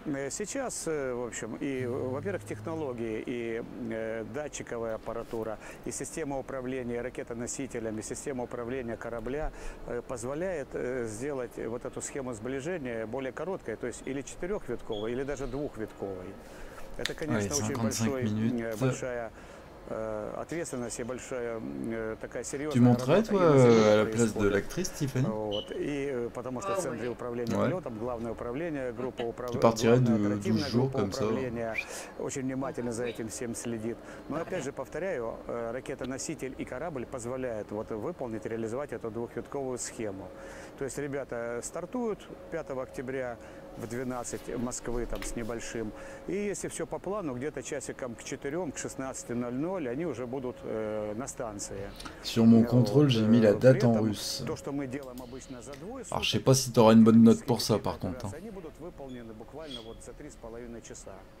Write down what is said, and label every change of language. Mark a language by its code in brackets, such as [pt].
[ru] Сейчас, в общем, и, во-первых, технологии, и датчиковая аппаратура, и система управления ракетоносителями, система управления корабля позволяет сделать вот эту схему сближения более короткой, то есть или четырехвитковой, или даже двухвитковой. Это, конечно, очень большая ответственность и большая такая серьезная. [fr] Ты montrais, toi, à la place de l'actrice, Tiffany? [ru] Вот, и потому что в центре управления полетом, главное управление, группа управления, управления очень внимательно за этим всем следит. Но опять же повторяю, ракетоноситель и корабль позволяют вот выполнить, реализовать эту двухвитковую схему. То есть ребята стартуют 5 октября в 12 Москвы там с небольшим. И если все по плану, где-то часиком к 4, к 16:00 они уже будут на станции. [fr] Sur mon contrôle, j'ai mis la date en russe. [ru] То, что мы делаем обычно за двое суток. [fr] Alors, je sais pas si tu auras une bonne note pour ça, par contre. [ru] Они будут выполнены буквально вот за 3,5 часа.